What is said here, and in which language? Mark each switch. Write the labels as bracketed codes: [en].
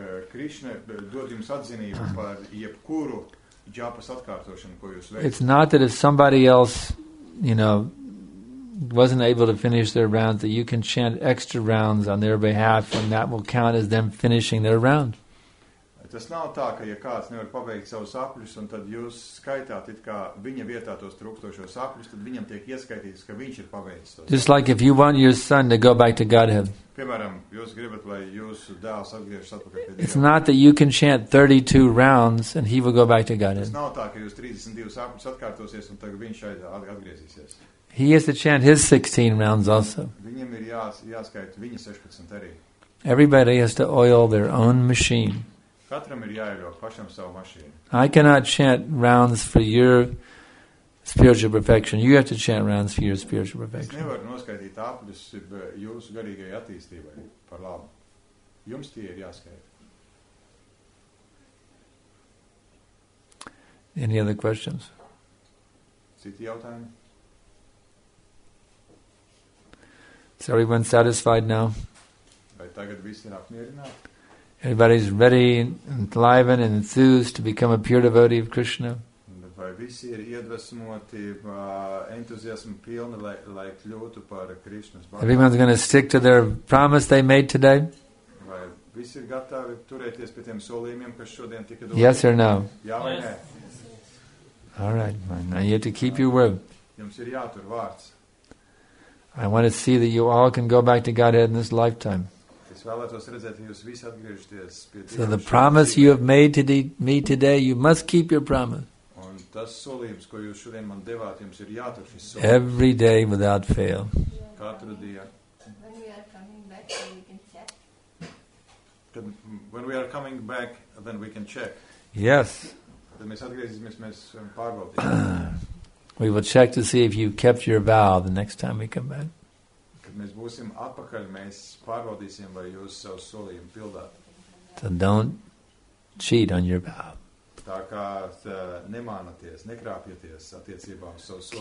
[lv] Krishna dod jums atzinību par jebkuru japas atkārtošanu, ko jūs veicat. [en] It's not that if somebody else, you know, wasn't able to finish their rounds, that you can chant extra rounds on their behalf and that will count as them finishing their round. [lv] Tas nav tā, ka ja kāds nevar pabeigt savus sapļus, un tad jūs skaitāt it kā viņa vietā tos trūkstošos sapļus, tad viņam tiek ieskaitīts, ka viņš ir pabeidzis tos. [en] Just like if you want your son to go back to Godhead. [lv] Piemēram, jūs gribat, lai jūsu dēls atgriežas atpakaļ pie Dieva. [en] It's not that you can chant 32 rounds and he will go back to Godhead. [lv] Tas nav tā, ka jūs 32 sapļus atkārtosies un tagad viņš atgriezīsies. [en] He has to chant his 16 rounds also. [lv] Viņam ir jāskaita viņa 16 arī. [en] Everybody has to oil their own machine. [lv] Katram ir jāieļo pašam savu mašīnu. [en] I cannot chant rounds for your spiritual perfection. You have to chant rounds for your spiritual perfection. [lv] Es nevaru noskaitīt apļus jūsu garīgajai attīstībai par labu. Jums tie ir jāskaita. [en] Any other questions? [lv] Citi jautājumi? [en] Is everyone satisfied now? [lv] Vai tagad visi ir apmierināti? [en] Everybody's ready and alive and enthused to become a pure devotee of Krishna. [lv] Vai visi ir iedvesmoti, entuziasmu pilni, lai kļūtu par Krishnas bhakti. [en] Everyone's going to stick to their promise they made today? [lv] Vai visi ir gatavi turēties pie tiem solījumiem, kas šodien tika doti? [en] Yes or no? [lv] Jā vai nē? [en] All right, now you have to keep your word. [lv] Jums ir jātur vārds. [en] I want to see that you all can go back to Godhead in this lifetime. So the promise you have made to me today, you must keep your promise. Every day without fail. When we are coming back, we can chat. [lv] Tad, [en] when we are coming back, then we can check. Yes. [lv] Tad mēs atgriezīsimies, mēs varam pārbaudīt. [en] We will check to see if you kept your vow the next time we come back. [lv] Kad mēs būsim atpakaļ, mēs pārbaudīsim, vai jūs savus solījumus pildāt. [en] So don't cheat on your vow. [lv] Tā kā nemānaties, nekrāpjieties attiecībā uz savu solījumu.